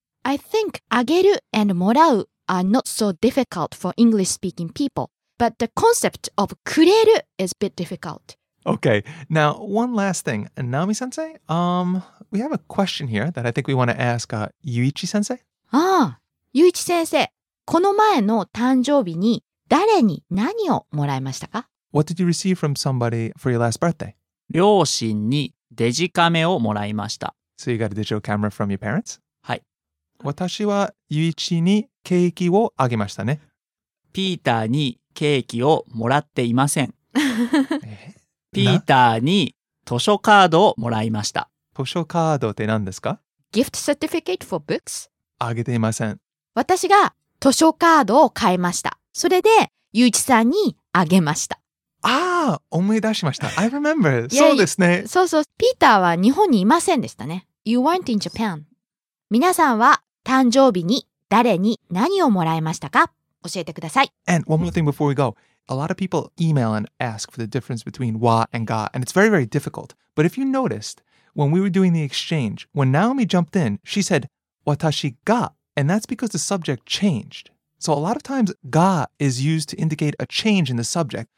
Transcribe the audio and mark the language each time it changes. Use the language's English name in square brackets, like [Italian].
[English] I think ageru and morau are not so difficult for English-speaking people, but the concept of kureru is a bit difficult. Okay, now one last thing. Naomi-sensei, we have a question here that I think we want to ask Yuichi-sensei. [Japanese] Ah, Yuichi-sensei, この前の誕生日に誰に何をもらいましたか? [English] What did you receive from somebody for your last birthday? [Japanese] 両親にデジカメをもらいました。 [English] So you got a digital camera from your parents? [Japanese] はい。私はユイチにケーキをあげましたね。ピーターにケーキをもらっていません。ピーターに図書カードをもらいました。図書カードって何ですか? [English] Gift certificate for books? [Japanese] あげていません。私が図書カードを買いました。それでユイチさんにあげました。ああ、思い出しました。 [English] I remember. [Japanese] そうですね。そうそう。ピーターは日本にいませんでしたね。 [English] You weren't in Japan. [Japanese] 皆さんは誕生日に誰に何をもらいましたか? 教えてください。 [English] And one more thing before we go. A lot of people email and ask for the difference between wa and ga, and it's very, very difficult. But if you noticed, when we were doing the exchange, when Naomi jumped in, she said, 私が, and that's because the subject changed. So a lot of times, ga is used to indicate a change in the subject.